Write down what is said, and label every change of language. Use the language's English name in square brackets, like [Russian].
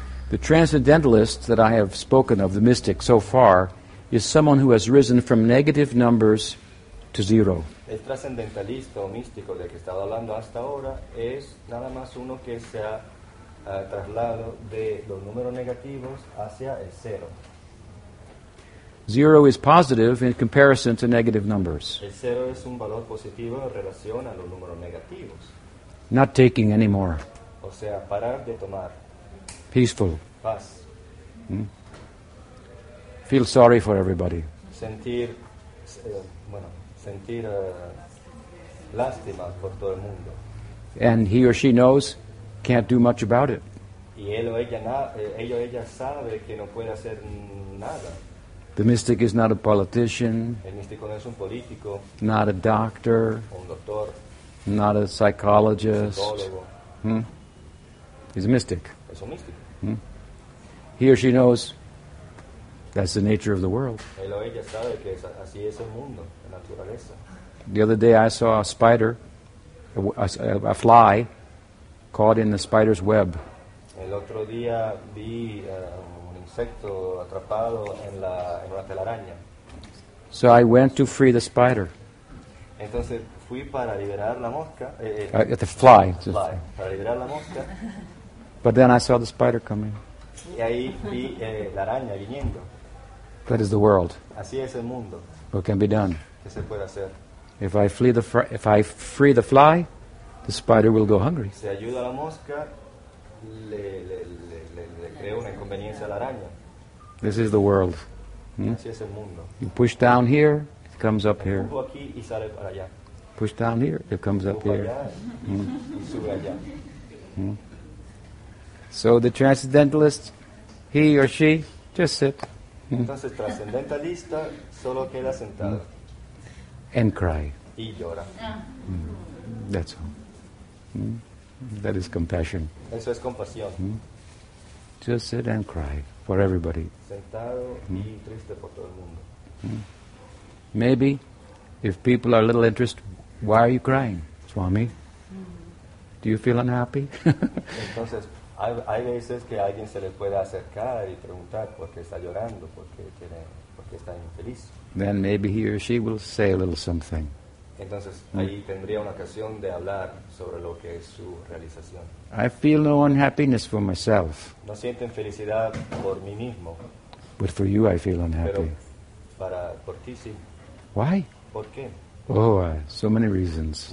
[English] The transcendentalist that I have spoken of, the mystic so far, is someone who has risen from negative numbers to zero. [Spanish] El transcendentalista o místico del que he estado hablando hasta ahora es nada más uno que se ha trasladado de los números negativos hacia el cero. [English] Zero is positive in comparison to negative numbers. [Spanish] El cero es un valor positivo en relación a los números negativos. [English] Not taking anymore. [Spanish] O sea, parar de tomar. [English] Peaceful. [Spanish] Paz. [English] Feel sorry for everybody. [Spanish] Sentir, bueno, sentir lástima por todo el mundo. [English] And he or she knows, can't do much about it. [Spanish] Y él o ella, ella sabe que no puede hacer nada. [English] The mystic is not a politician. [Spanish] El místico no es un político. [English] Not a doctor. [Spanish] Un doctor. [English] Not a psychologist. [Spanish] Un psicólogo. [English] He's a mystic. [Spanish] Es un místico. [English] He or she knows that's the nature of the world. [Spanish] Él o ella sabe que es, así es el mundo, la naturaleza. [English] The other day I saw a spider, a fly, caught in the spider's web. [Spanish] El otro día vi un insecto atrapado en una telaraña. [English] So I went to free the spider. [Spanish] Entonces fui para liberar la mosca. [English] The fly. [Spanish] Fly. Para liberar la mosca. [English] But then I saw the spider coming. [Spanish] Y ahí vi la araña viniendo. [English] That is the world. [Spanish] Así es el mundo. [English] What can be done? [Spanish] ¿Qué se puede hacer? [English] If I free the fly, the spider will go hungry. [Spanish] Si ayuda a la mosca, le creo una inconveniencia a la araña. [English] This is the world. [Spanish] Así es el mundo. [English] You push down here, it comes up here. [Spanish] Empujo aquí y sale para allá. [English] Push down here, it comes up here. [Spanish] Y sube allá. [English] So the transcendentalist, he or she, just sit. [Spanish] Entonces, transcendentalista solo queda sentado. [English] And cry. [Spanish] Y llora. [English] That's all. That is compassion. [Spanish] Eso es compasión. [English] Just sit and cry for everybody. [Spanish] Sentado y triste por todo el mundo. [English] Maybe if people are a little interested, why are you crying, Swami? Do you feel unhappy? [Spanish] Entonces, hay veces que alguien se le puede acercar y preguntar por qué está llorando, por qué está infeliz. [English] Then maybe he or she will say a little something. [Spanish] Entonces ahí tendría una ocasión de hablar sobre lo que es su realización. [English] I feel no unhappiness for myself. [Spanish] No siento infelicidad por mí mismo. [English] But for you I feel unhappy. [Spanish] Pero para por ti sí. [English] Why? [Spanish] ¿Por qué? [English] Oh, so many reasons.